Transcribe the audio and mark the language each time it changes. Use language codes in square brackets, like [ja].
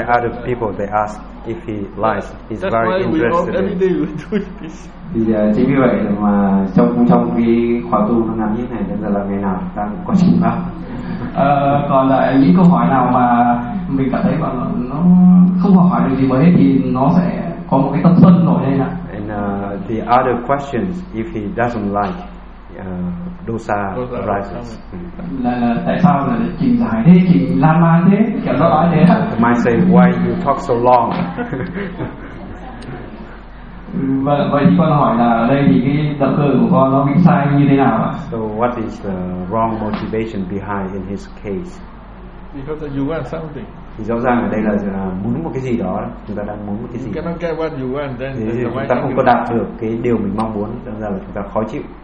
[en] Where other people they ask if he likes, he's that's very interested. We in. Every day we do this. [vi] Thì chính vì vậy mà trong cái khóa tu nó làm như này, nên là ngày nào đang có chuyện đó. Còn lại những câu hỏi nào mà mình cảm thấy mà nó không hỏi được gì mới thì nó sẽ có một cái tâm sân nổi lên ạ. [en] And the other questions, if he doesn't like, dosa arises. [vi] Là [en] I might say, why you talk so long? [vi] Vậy thì con hỏi là ở đây thì cái động cơ của con nó bị sai như thế nào ạ? [en] So what is the wrong motivation behind in his case? Because you want something. [vi] Thì rõ ràng ở đây là muốn một cái gì đó, chúng ta đang muốn một cái gì. [en] You cannot get what you want, then [vi] thì chúng ta không có đạt được cái điều mình mong muốn, cho nên là chúng ta khó chịu.